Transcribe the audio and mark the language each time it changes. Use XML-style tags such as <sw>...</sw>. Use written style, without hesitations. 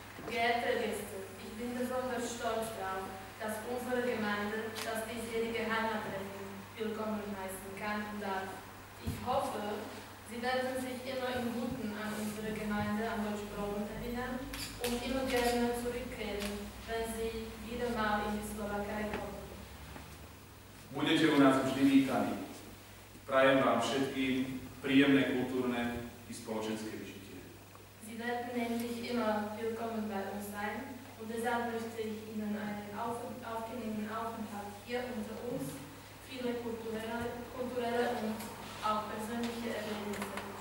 <de>Geehrte Gäste, ich bin besonders stolz darauf, dass unsere Gemeinde das diesjährige Heimattreffen willkommen heißen kann und darf. Ich hoffe, Sie werden sich immer im Guten an unsere Gemeinde am Deutschen Brauen erinnern und immer gerne zurückkehren, wenn Sie wieder mal in die Slowakei kommen.</de> <sk>Budete u nás vždy vítani. Prajem vám všetkým príjemné kultúrne i spoločenské vyžitie.</sk> <de>Sie werden nämlich immer willkommen bei uns sein und deshalb möchte ich Ihnen einen aufgenehmen Aufenthalt hier unter uns, viele kulturelle und auch persönliche Erlebnisse.</de>